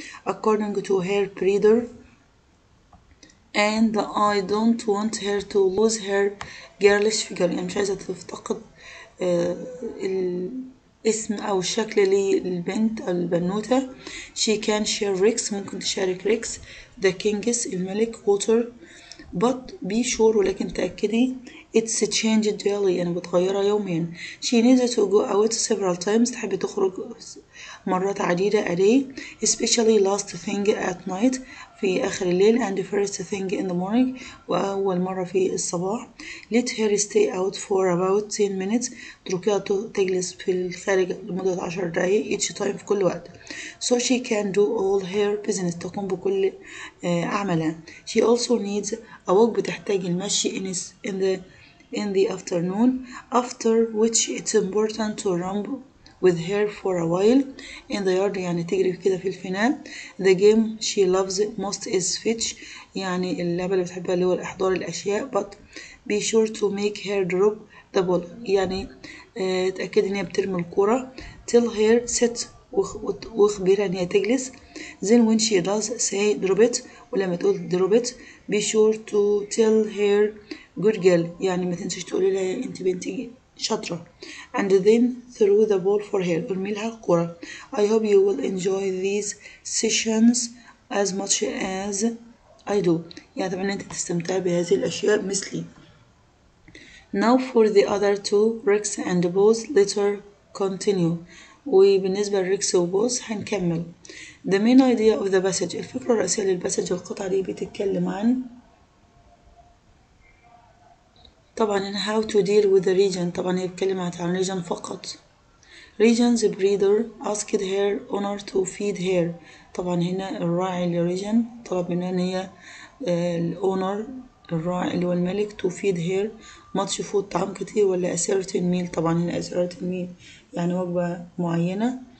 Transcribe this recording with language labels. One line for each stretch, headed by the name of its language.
English: According to her breeder. And I don't want her to lose her girlish figure.
Arabic: يعني مش عايزة تفتقد الاسم أو الشكل للبنت البنوتة.
English: She can share Rex.
Arabic: ممكن تشارك Rex.
English: The king's
Arabic: الملك.
English: Water. But be sure.
Arabic: ولكن تأكدي.
English: It's changed daily.
Arabic: يعني بتغيرها يوميا.
English: She needs to go out several times.
Arabic: تحب تخرج مرات عديدة.
English: A day. Especially last thing at night.
Arabic: في آخر الليل.
English: And first thing in the morning.
Arabic: وأول مرة في الصباح.
English: Let her stay out for about 10 minutes.
Arabic: تركيها تجلس في الخارج لمدة 10 دقائق.
English: Each time
Arabic: في كل وقت.
English: So she can do all her business.
Arabic: تقوم بكل أعمالها.
English: She also needs a walk.
Arabic: بتحتاج المشي
English: in the afternoon. After which it's important to run with her for a while in the yard
Arabic: يعني تجري كده في الفناء.
English: The game she loves most is fetch
Arabic: يعني اللعبة اللي بتحبها اللي هو الإحضار الأشياء.
English: But be sure to make her drop the ball
Arabic: يعني تأكد إن هي بترمي الكرة.
English: Tell her sit
Arabic: واخبرها إن هي تجلس.
English: Then when she does say drop it
Arabic: ولما تقول
English: drop it be sure to tell her good girl
Arabic: يعني ما تنسيش تقولي لها أنت بنتي شطرة.
English: And then throw the ball for her.
Arabic: ارمي لها الكرة.
English: I hope you will enjoy these sessions as much as I do.
Arabic: يعني أتمنى أنت تستمتع بهذه الأشياء مثلي.
English: Now for the other two, Rex and Boz. Later continue.
Arabic: وبالنسبة لريكس وبوز هنكمل.
English: The main idea of the passage.
Arabic: الفكرة الرئيسية للباسج القطعة دي بتتكلم عن طبعا
English: in how to deal with the region.
Arabic: طبعا هي بتكلم عن region فقط.
English: Region's breeder asked her owner to feed her.
Arabic: طبعا هنا الراعي للريجن طلب منها ان هي الاونر الراعي اللي هو الملك
English: to feed her much food
Arabic: طعام كتير ولا
English: a certain meal.
Arabic: طبعا هنا
English: a certain meal
Arabic: يعني وجبة معينة.